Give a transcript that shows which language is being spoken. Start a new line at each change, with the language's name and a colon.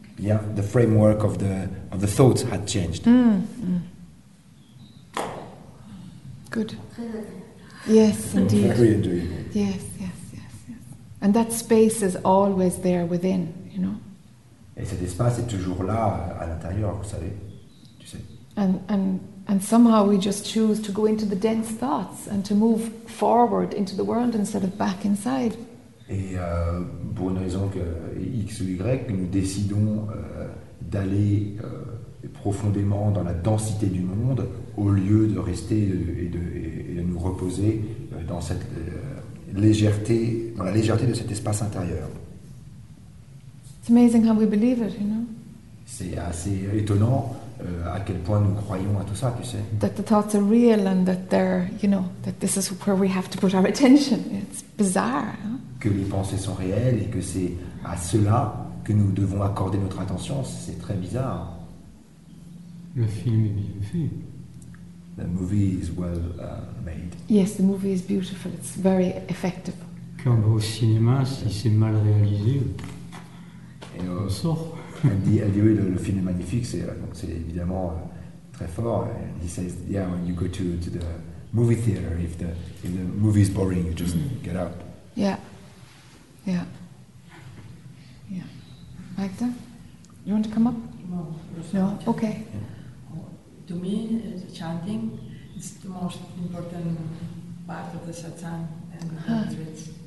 English: Yeah, the framework of the thoughts had changed. Mm. Good. Yes, indeed. Agree and do evil. Yes, yes, yes, yes. And that space is always there within, you know.
French: Et cet espace est toujours là, à l'intérieur, vous savez. Tu sais.
English: And somehow we just choose to go into the dense thoughts and to move forward into the world instead of back inside.
French: Et pour une raison que X ou Y, nous décidons d'aller profondément dans la densité du monde au lieu de rester et de nous reposer dans cette légèreté, dans la légèreté de cet espace intérieur.
English: It's amazing how we believe it, you know.
French: C'est assez étonnant à quel point nous croyons à tout ça, tu sais.
English: That the thoughts are real and that they're, you know, that this is where we have to put our attention. It's bizarre. Hein?
French: Que les pensées sont réelles et que c'est à cela que nous devons accorder notre attention, c'est très bizarre. Le film est bien fait.
English: The movie is well made. Yes, the movie is beautiful. It's very effective.
French: Quand on va au cinéma, si c'est mal réalisé, et on sort. Elle dit oui, le film est magnifique, c'est évidemment très fort.
English: And he says, yeah, when you go to the movie theater, if the movie is boring, you just get up. Yeah. Yeah. Yeah. Magda, you want to come up? No. No? Okay. Yeah. To me, the chanting is the most important part of the satsang and the rituals.